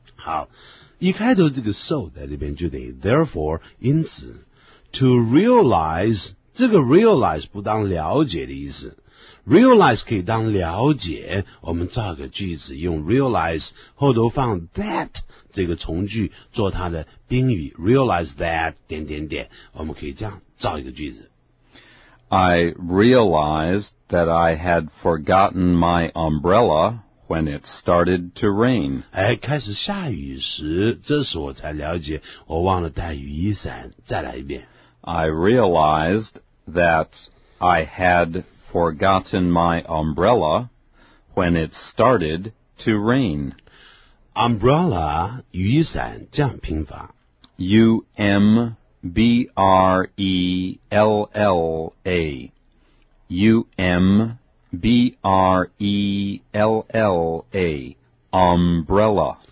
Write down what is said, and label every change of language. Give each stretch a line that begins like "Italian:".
Chinese: 好，一开头这个 so 在这边就等于 therefore， 因此 to realize， 这个 realize 不当了解的意思， realize 可以当了解，我们造个句子用 realize， 后头放 that 这个从句做它的宾语，
English: realize that
Chinese: 点点点，我们可以这样造一个句子。
English: I realized that I had forgotten my umbrella when it started to rain.
Chinese: 开始下雨时，这时我才了解我忘了带雨衣伞。再来一遍。
English: I realized that I had forgotten my umbrella when it started to rain.
Chinese: Umbrella, 雨衣伞，这样拼法。
English: U-M-B-R-E-L-L-A. U-M-B-R-E-L-L-A. B-R-E-L-L-A Umbrella。